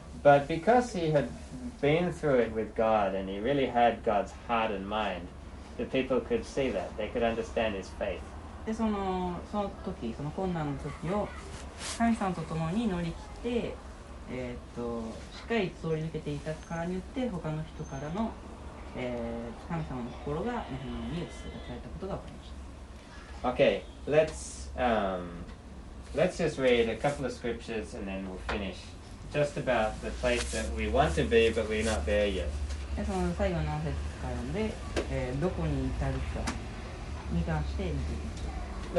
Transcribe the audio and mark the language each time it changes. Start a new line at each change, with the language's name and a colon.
English: But because he had been through it with God and he really had God's heart and mind, the people could see that. They could understand his faith.
Japanese: でその時その困難の時を神様と共に乗り切って。しっかり通り抜けていたからによって他の人からの、神様の心がネヘミヤに映されたことが分かりました。
English: Okay, let's just read a couple of scriptures and then we'll finish just about the place that we want to be but we're not there yet.
Japanese: でその最後の節から読んで、どこに至るかに関して見ていきましょう。